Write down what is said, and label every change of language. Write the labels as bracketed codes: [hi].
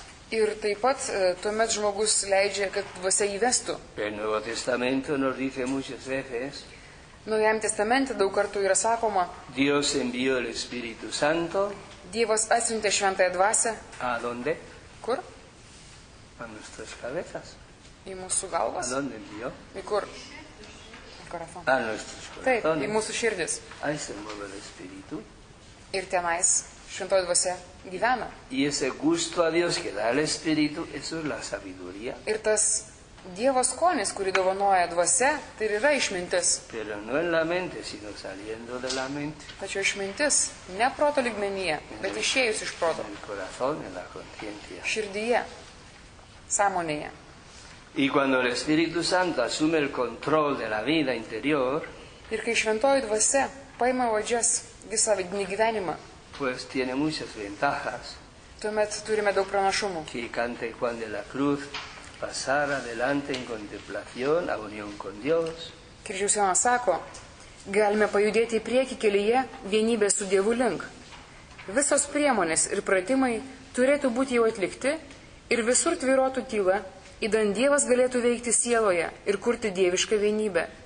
[lt] Ir taip pat tuomet žmogus leidžia, kad dvasia įvestų. [es] El Nuevo Testamento nos dice muchas veces. [lt] Naujame testamente daug kartų yra sakoma. [es] Dios envió el Espíritu Santo. [lt] Dievas atsiuntė šventąją dvasę. [es] A donde? [lt] Kur? [es] A nuestras cabezas. [lt] Į mūsų galvas. [es] A donde envió? [lt] Į kur? [es] A corazón. A nuestros corazones. [lt] Taip, į mūsų širdis. [es] Ahí se mueve el Espíritu. [lt] Ir tenais šventoji dvasia gyvena. [es] Y ese gusto a Dios que da el Espíritu, eso es la sabiduría. [lt] Ir tas Dievo skonis, kurį dovanoja dvasia, tai yra išmintis. [es] Pero no en la mente, sino saliendo de la mente. [lt] Tačiau išmintis, ne proto lygmenyje, bet išėjus iš proto. [es] En el corazón, en la conciencia. [lt] Širdyje, sąmonėje. [es] Y cuando el Espíritu Santo asume el control de la vida interior, [lt] ir kai šventoji dvasia paima valdžias visą vidinį gyvenimą, [es] pues tiene muchas ventajas. [lt] Tuomet turime daug pranašumų. [es] Que cante Juan de la Cruz, pasar adelante en contemplación, a unión con Dios. [lt] Kryžiaus Jonas sako, galime pajudėti į priekį kelyje vienybės su Dievu link. Visos priemonės ir pratimai turėtų būti jau atlikti ir visur tvirotų tyla, įdant Dievas galėtų veikti sieloje ir kurti dievišką vienybę.